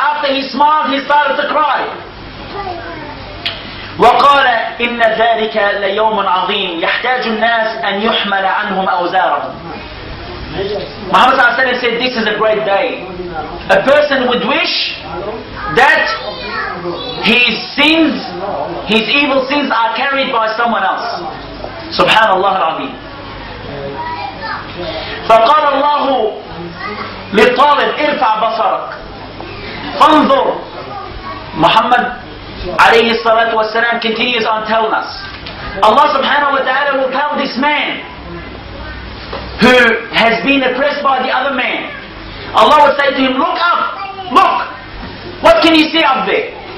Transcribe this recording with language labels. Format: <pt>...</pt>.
<en>After he smiled, he started to cry.</en> <ar>وقال إن ذلك ليوم عظيم يحتاج الناس أن يحمل عنهم أوزارهم.</ar> <en>Muhammad sallallahu alayhi wa sallam said, this is a great day. A person would wish that his sins, his evil sins are carried by someone else.</en> <ar>Subhanallah al-Azim. فقال الله للطالب ارفع بصرك فانظر.</ar> <en>Muhammad alayhi salatu wa sallam continues on telling us. Allah subhanahu wa ta'ala will tell this man who has been oppressed by the other man. Allah would say to him, look up, look. What can you see up there?</en>